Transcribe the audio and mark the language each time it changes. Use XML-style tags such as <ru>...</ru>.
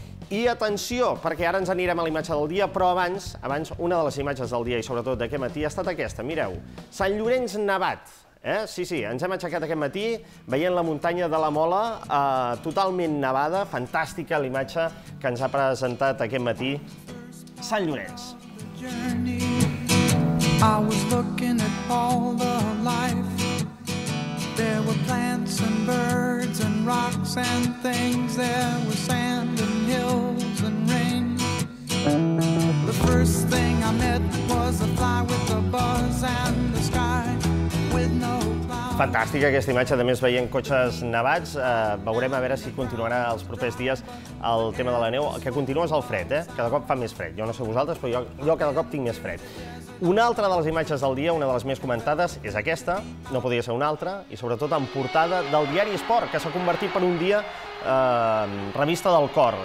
<ca>I atenció, perquè ara ens anirem a la imatge del dia, però abans una de les imatges del dia i sobretot d'aquest matí ha estat aquesta, mireu. Sant Llorenç nevat. Sí, sí, ens hem aixecat aquest matí veient la muntanya de la Mola totalment nevada, fantàstica la imatge que ens ha presentat aquest matí Sant Llorenç.</ca> <en>I was looking at all the life. There were plants and birds and rocks and things. There was sand and hills and rain. The first thing I met was a fly with a buzz and the sky.</en> <ca>Fantàstica aquesta imatge, a més veient cotxes nevats. Veurem a veure si continuarà els propers dies el tema de la neu. El que continua és el fred, cada cop fa més fred. Jo no sé vosaltres, però jo cada cop tinc més fred. Una altra de les imatges del dia, una de les més comentades, és aquesta, no podia ser una altra, i sobretot en portada del diari Esport, que s'ha convertit per un dia revista del cor.</ca>